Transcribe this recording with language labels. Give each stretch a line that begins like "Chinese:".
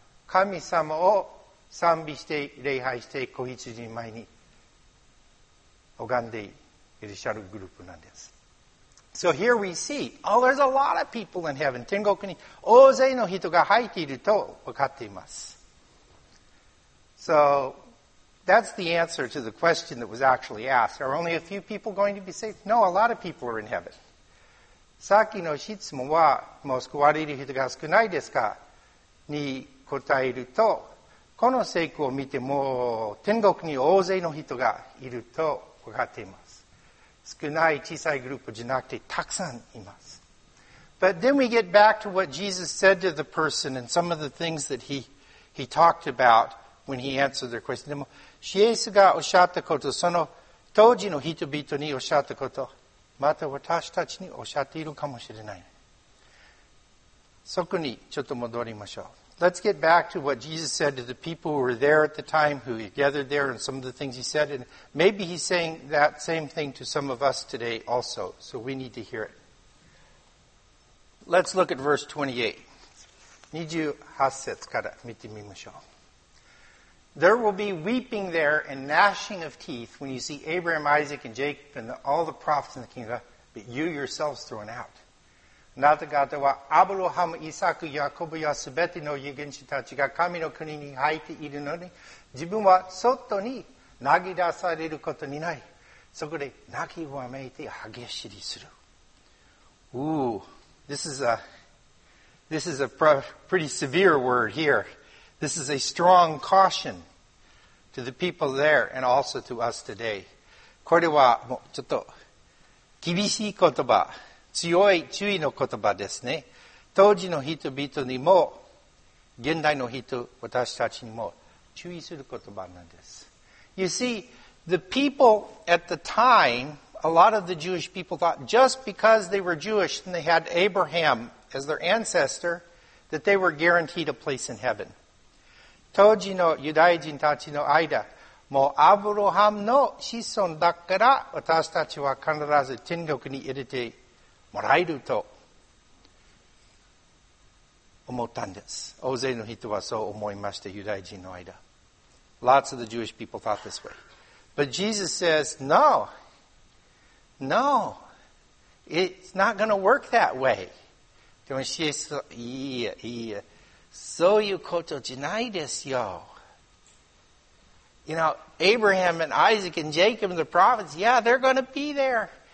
Japanese: 神様を賛美して礼拝して子羊の前に拝んでいらっしゃるグループなんです。
English: So here we see, oh, there's a lot of people in heaven.
Japanese: 天国に大勢の人が入っていると分かっています。
English: So that's the answer to the question that was actually asked. Are only a few people going to be saved? No, a lot of people are in heaven.
Japanese: さっきの質問は、もう救われる人が少ないですかに答えると、この聖句を見ても天国に大勢の人がいると分かっています。少ない小さいグループじゃなくてたくさんいます。
English: But then we get back to what Jesus said to the person and some of the things that he talked about when he answered their question.
Japanese: でも、イエスがおっしゃったこと、その当時の人々におっしゃったこと、また私たちにおっしゃっているかもしれない。そこにちょっと戻りましょう。
English: Let's get back to what Jesus said to the people who were there at the time, who gathered there, and some of the things he said. And maybe he's saying that same thing to some of us today also. So we need to hear it. Let's look at verse 28.
Japanese: 28節から見てみましょう。
English: There will be weeping there and gnashing of teeth when you see Abraham, Isaac, and Jacob, and all the prophets in the kingdom, but you yourselves thrown out.
Japanese: なぜかとは、アブロハム、イサク、ヤコブやすべての預言者たちが神の国に入っているのに、自分は外に投げ出されることにない。そこで泣きわめいて激しりする。
English: Ooh, this is a pretty severe word here. This is a strong caution to the people there and also to us today.
Japanese: これはもうちょっと厳しい言葉。強い注意の言葉ですね。当時の人々にも、現代の人、私たちにも注意する言葉なんです。
English: You see, the people at the time, a lot of the Jewish people thought just because they were Jewish and they had Abraham as their ancestor, that they were guaranteed a place in heaven.
Japanese: 当時のユダヤ人たちの間、もうアブラハムの子孫だから私たちは必ず天国に入れてもらえると思ったんです。大勢の人はそう思いました、ユダヤ人の間。
English: Lots of the Jewish people thought this way. But Jesus says, no, no, it's not going to work that way.
Japanese: でも、イエスは、いや、いや、そういうことじゃないですよ。
English: You know, Abraham and Isaac and Jacob and the prophets, yeah, they're going to be there.